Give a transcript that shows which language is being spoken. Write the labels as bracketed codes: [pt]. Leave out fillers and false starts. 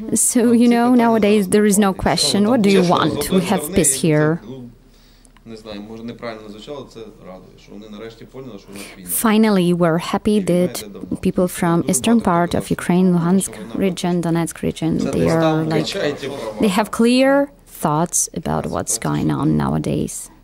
[en] So, you know, nowadays there is no question, what do you want? We have peace here. [uk] Не знаю, може неправильно звучало, це радує, що вони нарешті поняли, що у нас війна. [en] Finally, we're happy that people from eastern part of Ukraine, Luhansk region, Donetsk region, they are like, they have clear thoughts about what's going on nowadays.